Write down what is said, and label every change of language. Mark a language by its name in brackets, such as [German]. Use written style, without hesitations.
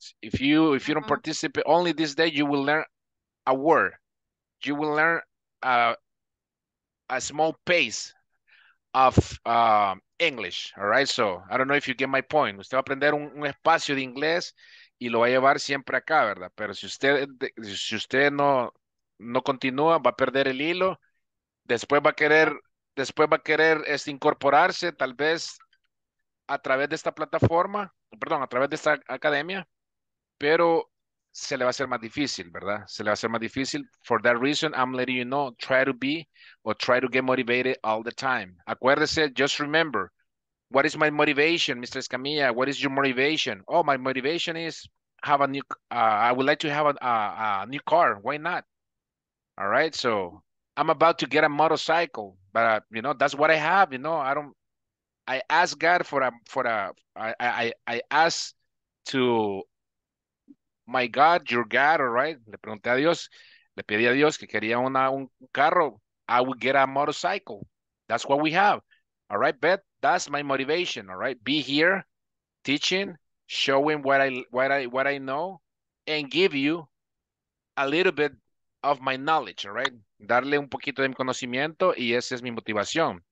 [English] If you don't participate, only this day, you will learn a word. You will learn a small pace of English, all right? So, I don't know if you get my point. [Spanish] Usted va a aprender un espacio de inglés y lo va a llevar siempre acá, ¿verdad? Pero si usted no continúa, va a perder el hilo, después va a querer incorporarse tal vez a través de esta plataforma, perdón, a través de esta academia, pero se le va a hacer más difícil, ¿verdad? Se le va a hacer más difícil. [English] For that reason, I'm letting you know, try to be or try to get motivated all the time. [Spanish] Acuérdese, [English] just remember, what is my motivation, Mr. Escamilla? What is your motivation? Oh, my motivation is I would like to have a new car. Why not? All right, so I'm about to get a motorcycle, but you know, that's what I have. You know, I ask God for my God, your God, all right? [Spanish] Le pregunté a Dios, le pedí a Dios que quería un carro. [English] I would get a motorcycle. That's what we have. All right, but that's my motivation, all right? Be here teaching, showing what I know, and give you a little bit of my knowledge, all right? [Spanish] Darle un poquito de mi conocimiento y esa es mi motivación.